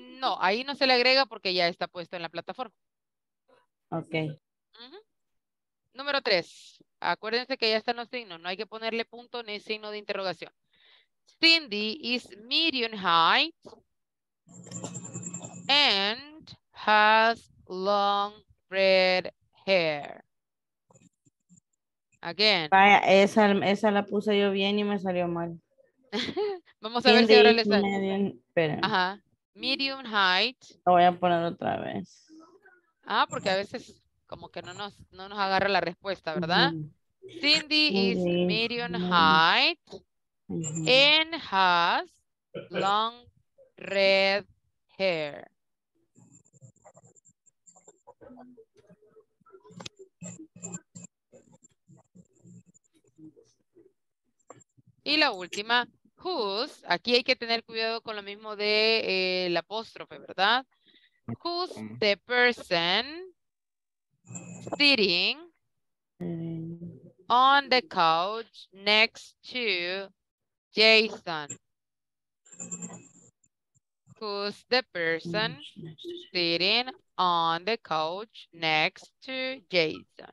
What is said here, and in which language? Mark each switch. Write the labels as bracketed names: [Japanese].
[Spanish] No, ahí no se le agrega porque ya está puesto en la plataforma. Ok. Uh-huh. Número tres. Acuérdense que ya están los signos. No hay que ponerle punto ni signo de interrogación. [English] Cindy is medium height and has long red hair. Again. [Spanish] Vaya, esa la puse yo bien y me salió mal. Vamos a ver si ahora le sale. Medium height. Lo voy a poner otra vez. Ah, porque a veces como que no nos agarra la respuesta, ¿verdad? [English] Cindy is medium height and has long red hair. [Spanish] Y la última, whose, aquí hay que tener cuidado con lo mismo de el apóstrofe, ¿verdad? [English] Who's the person sitting on the couch next to Jason? Who's the person sitting on the couch next to Jason?